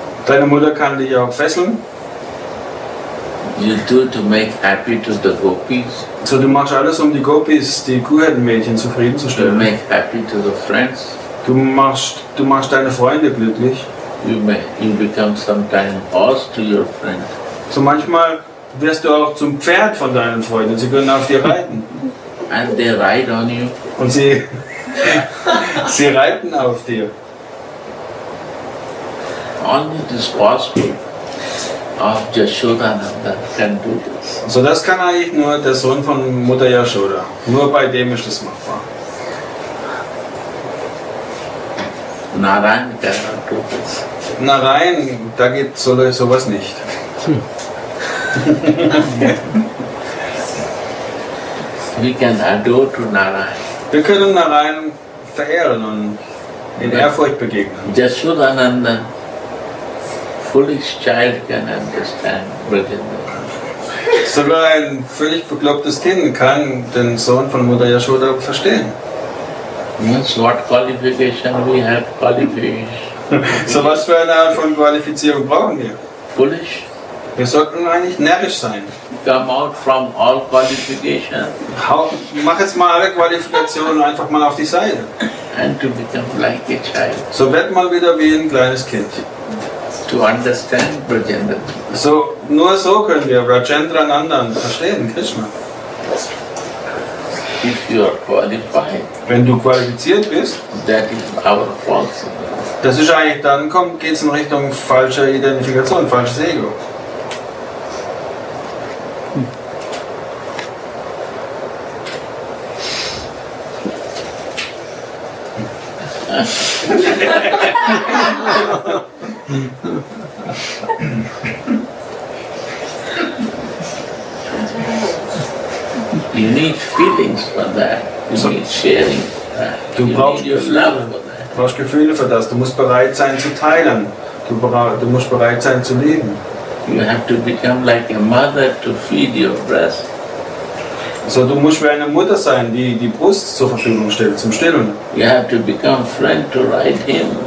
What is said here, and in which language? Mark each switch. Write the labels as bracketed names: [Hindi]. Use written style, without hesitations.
[German] Deine Mutter kann dich auch fesseln. [English] You do to make happy to the gopis. [German] So du machst alles, um die Gopis, die Kuhherdenmädchen, zufriedenzustellen. [English] You make happy to the friends. [German] Du machst deine Freunde glücklich. [English] You become sometimes horse to your friend. [German] So manchmal wirst du auch zum Pferd von deinen Freunden. Sie können auf dir reiten. [English] And they ride on you. [German] Und sie sie reiten auf dir. [English] Only this possible of Yashoda Nanda can do this. [German] So das kann eigentlich nur der Sohn von Mutter Yashoda. Nur bei dem ist das machbar. [English] Narayan cannot do this. [German] Narayan, da geht sowas nicht. [English] We can adore to Narayan. [German] Wir können Narayan verehren und in Ehrfurcht begegnen. [English] Yashoda Nanda, foolish child can understand Vrajendra. [German] Sogar ein völlig beklopptes Kind kann den Sohn von Mutter Yashoda verstehen. [English] Means what qualification we have qualified. [German] So was für eine Art von Qualifizierung brauchen wir? [English] Foolish. [German] Wir sollten eigentlich närrisch sein. [English] Come out from all qualification. [German] Mach jetzt mal alle Qualifikationen einfach mal auf die Seite. [English] And to become like a child. [German] So werd mal wieder wie ein kleines Kind. [English] To understand Vrajendra. [German] So nur so können wir Vrajendra Nanda verstehen, Krishna. [English] If you are qualified. [German] Wenn du qualifiziert bist, [English] that is our fault. [German] Das ist eigentlich, dann geht es in Richtung falscher Identifikation, falsches Ego. [English] You need feelings for that. You need sharing. [German] Du brauchst Gefühle für das. Du musst bereit sein zu teilen. Du musst bereit sein zu leben. [English] You have to become like a mother to feed your breast. [German] So du musst wie eine Mutter sein, die die Brust zur Verfügung stellt zum Stillen. [English] You have to become friend to ride him.